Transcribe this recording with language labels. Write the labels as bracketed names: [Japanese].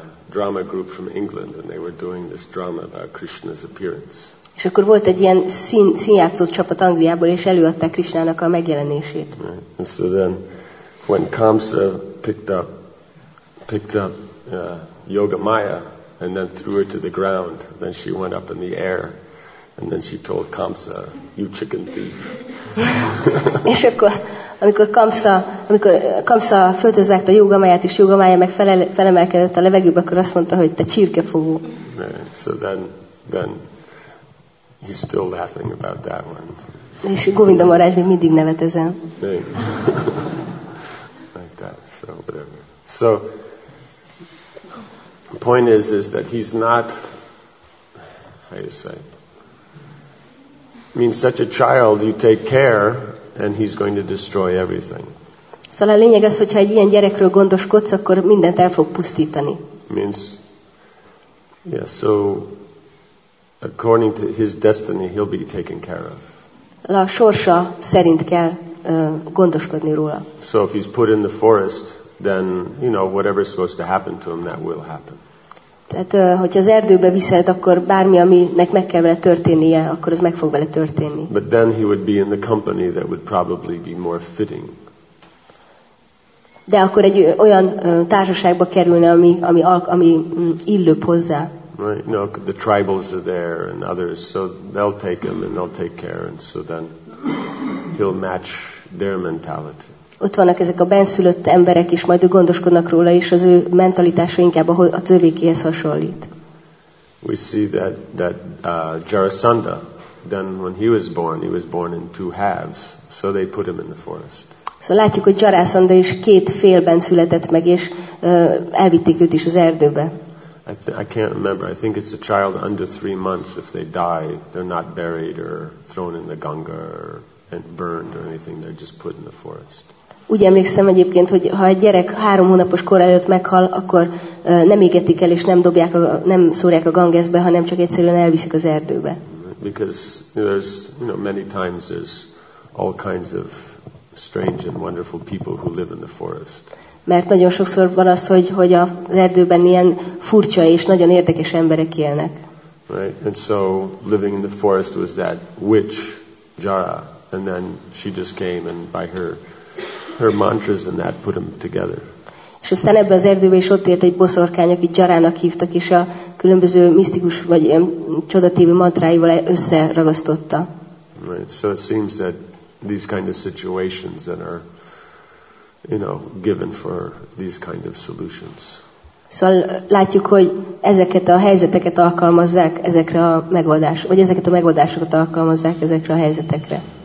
[English] drama group from England, and they were doing this drama about Krishna's appearance. [Hungarian] És akkor volt egy ilyen színjátszó csapat Angliából, és előadták Krishnának a megjelenését. [English] Right. And so then, when Kamsa picked up Yoga Maya, and then threw her to the ground, then she went up in the air, and then she told Kamsa, "You chicken thief." [Hungarian] És akkor Amikor Kamsa föltözvágta a jógamáját, és jógamája meg felemelkedett a levegőbe, akkor azt mondta, hogy te csirkefogó. [English] So then he's still laughing about that one. [Hungarian] És Govinda Maharaj még mindig nevet ezen. [English] Like that, so whatever. So, the point is that he's not, how you say, means such a child, you take care, and he's going to destroy everything. [Hungarian] Szóval a lényeg az, hogyha egy ilyen gyerekről gondoskodsz, akkor mindent el fog pusztítani. [English] Means, yeah, so according to his destiny, he'll be taken care of. [Hungarian] A sorsa szerint kell gondoskodni róla. [English] So if he's put in the forest, then, you know, whatever's supposed to happen to him, that will happen. [Hungarian] Tehát, hogyha az erdőbe viszed, akkor bármi, aminek meg kell vele történnie, akkor az meg fog vele történni. [English] But then he would be in the company that would probably be more fitting. [Hungarian] De akkor egy olyan társaságba kerülne, ami illőbb hozzá. [English] Right, no, the tribals are there and others, so they'll take him and they'll take care, and so then he'll match their mentality. [Hungarian] Ott vannak ezek a benszülött emberek is, majd ő gondoskodnak róla, és az ő mentalitása inkább a tövékéhez hasonlít. [English] We see that Jarasandha, then when he was born in two halves, so they put him in the forest. [Hungarian] Szóval látjuk, hogy Jarasandha is két félben született meg, és elvitték őt is az erdőbe. [English] I can't remember. I think it's a child under 3 months. If they die, they're not buried or thrown in the Ganga or burned or anything. They're just put in the forest. [Hungarian] Úgy emlékszem egyébként, hogy ha egy gyerek 3 hónapos kor előtt meghal, akkor nem égetik el, és nem szórják a Gangesbe, hanem csak egyszerűen elviszik az erdőbe. [English] Because there's, you know, many times there's all kinds of strange and wonderful people who live in the forest. [Hungarian] Mert nagyon sokszor van az, hogy az erdőben ilyen furcsa és nagyon érdekes emberek élnek. [English] Right? And so living in the forest was that witch, Jara. And then she just came and by her mantras and that put them together. [Hungarian] És aztán ebben az erdőben is ott élt egy boszorkány, akit Jarának hívtak, és a különböző misztikus vagy ilyen csodatévű mantráival összeragasztotta. [English] Right. So it seems that these kind of situations that are, you know, given for these kind of solutions. [Hungarian] Szóval látjuk, hogy ezeket a helyzeteket alkalmazzák ezekre a megoldás, vagy ezeket a megoldásokat alkalmazzák ezekre a helyzetekre.